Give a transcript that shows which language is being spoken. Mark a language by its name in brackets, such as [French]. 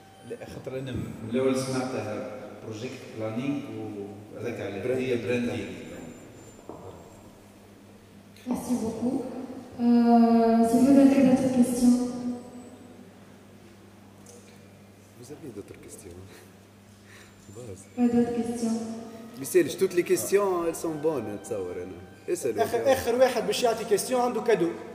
[Arabic] لا خاطر انا من الاول سمعتها بروجيكت بلانينغ و هذاك علاه هي براندينغ [French] Merci beaucoup. S'il vous plaît, d'autres questions. Vous avez d'autres questions? Pas d'autres questions. Michel, toutes les questions, elles sont bonnes, tu sais, Rana. Et ça. [Arabic] آخر واحد باش يعطي question عنده كادو.